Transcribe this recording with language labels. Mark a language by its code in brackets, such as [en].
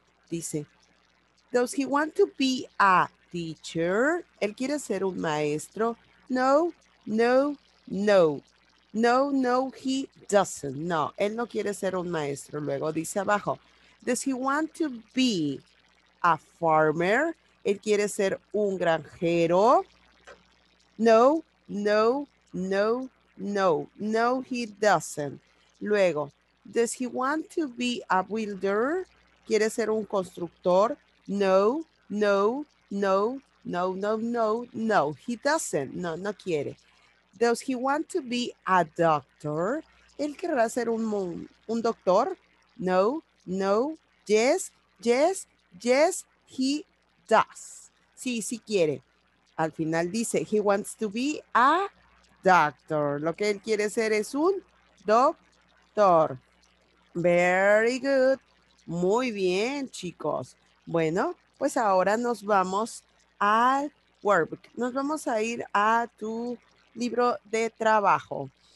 [en] Dice, does he want to be a teacher? [es] ¿Él quiere ser un maestro? No, no, no. [en] No, no, he doesn't. [es] No, él no quiere ser un maestro. Luego dice abajo, [en] does he want to be a farmer? [es] ¿Él quiere ser un granjero? [en] No, no, no, no. No, he doesn't. Luego, does he want to be a builder? [es] ¿Quiere ser un constructor? [en] No, no, no, no, no, no, no, he doesn't. [es] No, no quiere. [en] Does he want to be a doctor? [es] ¿Él querrá ser un doctor? No, no, [en] yes, yes, yes, he does. [es] Sí, sí quiere. Al final dice, [en] he wants to be a doctor. [es] Lo que él quiere ser es un doctor. [en] Very good. [es] Muy bien, chicos. Bueno, pues ahora nos vamos al workbook. Nos vamos a ir a tu libro de trabajo.